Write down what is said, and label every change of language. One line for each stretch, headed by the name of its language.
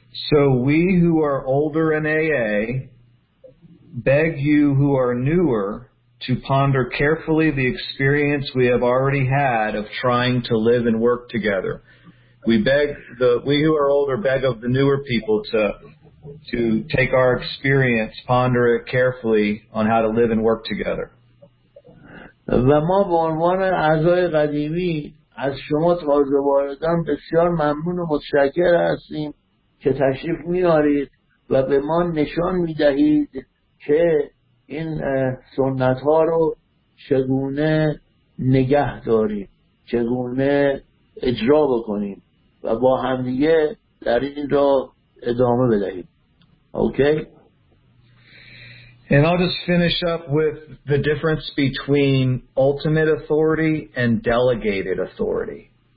English: So we who are older in AA beg you who are newer to ponder carefully the experience we have already had of trying to live and work together. We who are older beg of the newer people to take our experience, ponder it carefully on how to live and work together.
Persian: و ما به عنوان اعضای قدیمی از شما تازه واردان بسیار ممنون و متشکر هستیم که تشریف میارید و به ما نشان میدهید که این سنت ها رو چگونه نگه داریم، چگونه اجرا بکنیم و با همدیگه در این را ادامه بدهیم.
English: Okay. And I'll just finish up with the difference between ultimate authority and delegated authority.